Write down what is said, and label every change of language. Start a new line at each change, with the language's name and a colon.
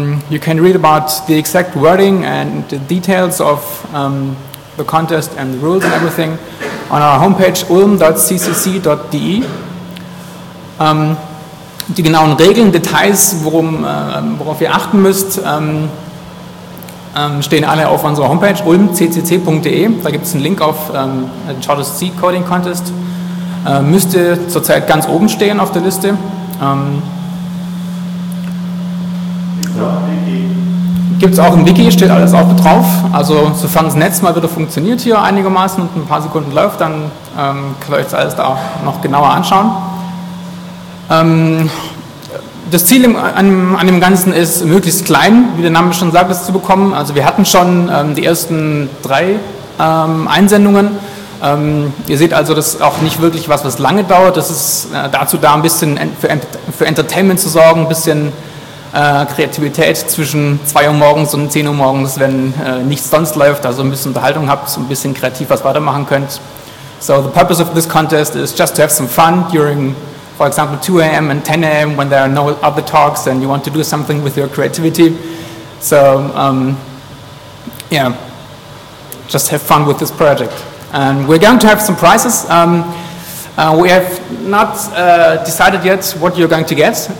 English: You can read about the exact wording and the details of the contest and the rules and everything on our homepage ulm.ccc.de.
German: Die genauen Regeln, Details, worauf ihr achten müsst, stehen alle auf unserer Homepage ulmccc.de. Da gibt es einen Link auf Charles C. Coding Contest. Müsste zurzeit ganz oben stehen auf der Liste. Gibt es auch im Wiki, steht alles auch drauf. Also sofern das Netz mal wieder funktioniert hier einigermaßen und ein paar Sekunden läuft, dann könnt ihr euch das alles da auch noch genauer anschauen. Das Ziel an dem Ganzen ist, möglichst klein, wie der Name schon sagt, es zu bekommen. Also wir hatten schon die ersten drei Einsendungen. Ihr seht also, das ist auch nicht wirklich was, was lange dauert. Das ist dazu da, ein bisschen für Entertainment zu sorgen, ein bisschen Kreativität zwischen 2 Uhr morgens und 10 Uhr morgens, wenn nichts sonst läuft, also ein bisschen Unterhaltung habt, so ein bisschen kreativ was weitermachen könnt.
English: So the purpose of this contest is just to have some fun during, for example, 2 a.m. and 10 a.m. when there are no other talks and you want to do something with your creativity. So, yeah, just have fun with this project. And we're going to have some prizes. We have not decided yet what you're going to get.